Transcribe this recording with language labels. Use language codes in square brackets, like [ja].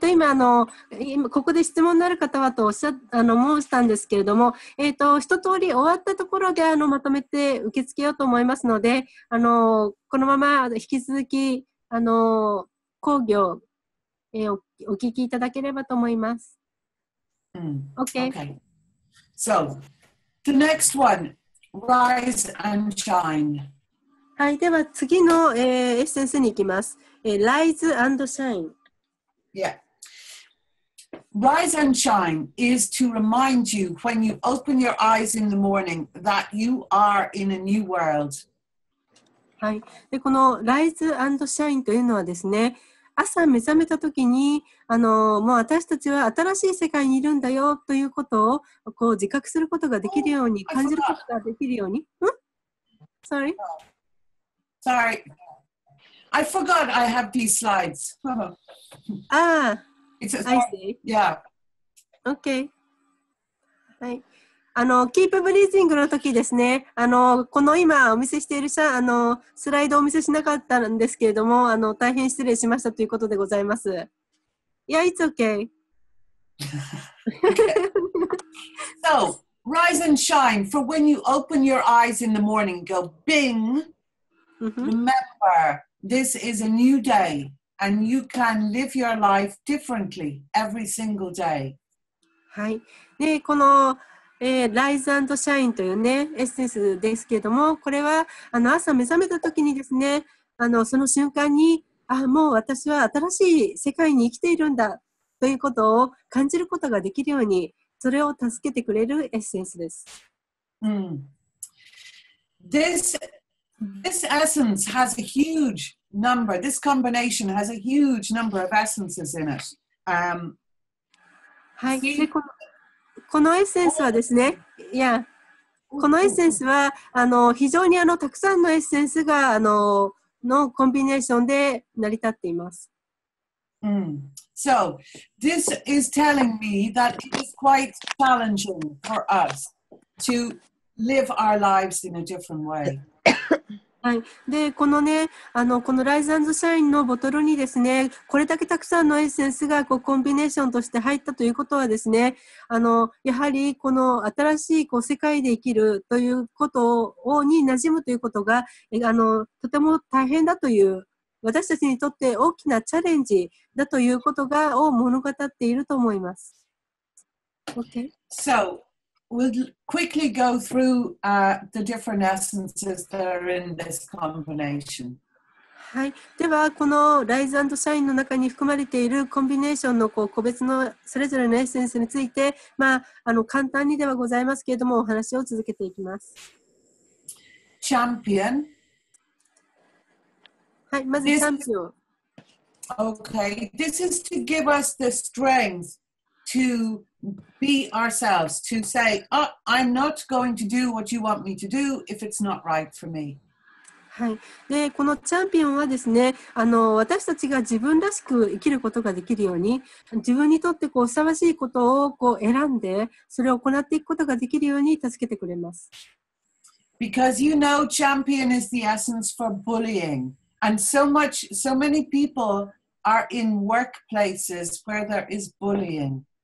[ja] 今ここで質問のある方はとおっしゃ、申したんですけれども、一通り終わったところでまとめて受け付けようと思いますので、このまま引き続き、講義をお聞きいただければと思います。 [en] Okay. So, the next one, rise and shine. [ja] はい、では次の、エッセンスに行きます。 [en] Rise and shine. Yeah. Rise and shine is to remind you when you open your eyes in the morning that you are in a new world. [ja] はい、でこの Rise and shine というのはですね、朝目覚めたときに、もう私たちは新しい世界にいるんだよということをこう自覚することができるように、感じることができるように。 [en] Sorry. I forgot I have these slides. I see. Yeah. Okay. はい。 [ja] キープブリージングの時ですね、この今お見せしているスライドをお見せしなかったんですけれども、大変失礼しましたということでございます。 [en] Yeah, it's okay. Okay. So, rise and shine for when you open your eyes in the morning, go bing. Remember, this is a new day and you can live your life differently every single day. [ja] はい。で、このRise and Shine という、ね、エッセンスですけれども、これは朝目覚めた時にですね、その瞬間に、もう私は新しい世界に生きているんだということを感じることができるように、それを助けてくれるエッセンスです。 [en] This essence has a huge number, this combination has a huge number of essences in it. [ja] はい。このエッセンスはですね、いや、このエッセンスは非常にたくさんのエッセンスがのコンビネーションで成り立っています。うん。 [en] So, this is telling me that it is quite challenging for us to live our lives in a different way. [ja] はい、でこのね、このライズ&シャインのボトルにですね、これだけたくさんのエッセンスがこうコンビネーションとして入ったということはですね、やはりこの新しいこう世界で生きるということをに馴染むということが、とても大変だという、私たちにとって大きなチャレンジだということがを物語っていると思います。 [en] Okay. So... We'll quickly go through the different essences that are in this combination. [ja] はい、ではこのライズ&シャインの中に含まれているコンビネーションのこう個別のそれぞれのエッセンスについて、まあ、簡単にではございますけれどもお話を続けていきます。チャンピオン。はい、まずチャンピオン。 [en] Okay, this is to give us the strength to... be ourselves, to say,、I'm not going to do what you want me to do if it's not right for me.、 [ja] はい、でこのチャンピオンはですね、私たちが自分らしく生きることができるように、自分にとってこうふさわしいことをこう選んで、それを行っていくことができるように助けてくれます。 [en] Because you know, champion is the essence for bullying. And so many people are in workplaces where there is bullying.